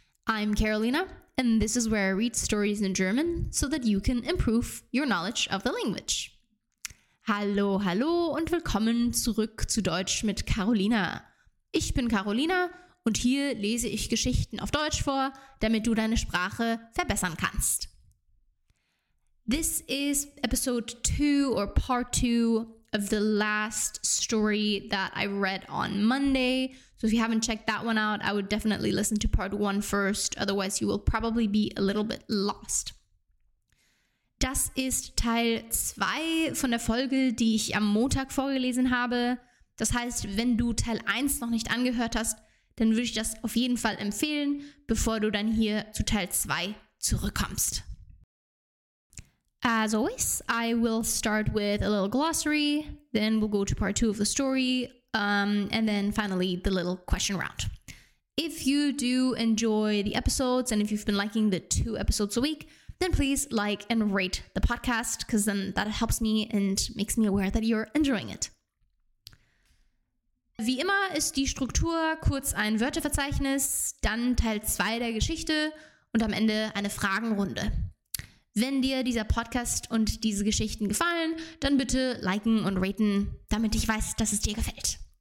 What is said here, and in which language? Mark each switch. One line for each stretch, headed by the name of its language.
English: I'm Carolina, and this is where I read stories in German so that you can improve your knowledge of the language.
German: Hallo, hallo und willkommen zurück zu Deutsch mit Carolina. Ich bin Carolina und hier lese ich Geschichten auf Deutsch vor, damit du deine Sprache verbessern kannst.
English: This is episode 2 or part 2 of the last story that I read on Monday. So if you haven't checked that one out, I would definitely listen to part 1 first. Otherwise, you will probably be a little bit lost.
German: Das ist Teil 2 von der Folge, die ich am Montag vorgelesen habe. Das heißt, wenn du Teil 1 noch nicht angehört hast, dann würde ich das auf jeden Fall empfehlen, bevor du dann hier zu Teil 2 zurückkommst.
English: As always, I will start with a little glossary, then we'll go to part 2 of the story, and then finally the little question round. If you do enjoy the episodes and if you've been liking the 2 episodes a week, then please like and rate the podcast, because then that helps me and makes me aware that you're enjoying it.
German: Wie immer ist die Struktur kurz ein Wörterverzeichnis, dann Teil 2 der Geschichte und am Ende eine Fragenrunde. Wenn dir dieser Podcast und diese Geschichten gefallen, dann bitte liken und raten, damit ich weiß, dass es dir gefällt.